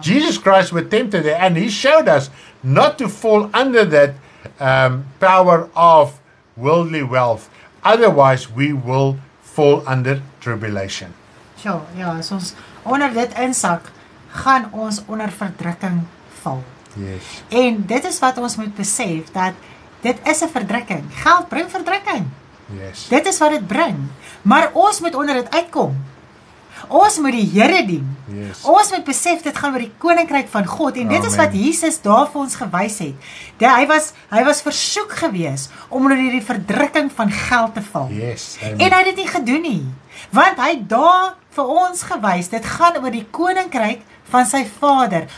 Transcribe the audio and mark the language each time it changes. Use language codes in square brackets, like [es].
[en] Jesus Christ was tempted there and he showed us not to fall under that power of worldly wealth, Otherwise, we will fall under tribulation. [af] Ja, ja, as ons onder dit insak, gaan ons onder verdrukking val. [en] Yes. [af] En dit is wat ons moet besef, dat dit is 'n verdrukking. Geld bring verdrukking. [en] Yes. [af] Dit is wat dit bring. Maar ons moet onder dit uitkom. Ons moet die Here dien. [en] Yes. [af] Ons moet besef, dit gaan oor die koninkryk van God. En dit Amen. Is wat Jesus daar vir ons gewys het. Dat hy was versoek gewees om onder die verdrukking van geld te val. [en] Yes. [af] En hy het dit nie gedoen nie. Want hy het daar vir ons gewys, dit gaan oor die koninkryk van sy Vader.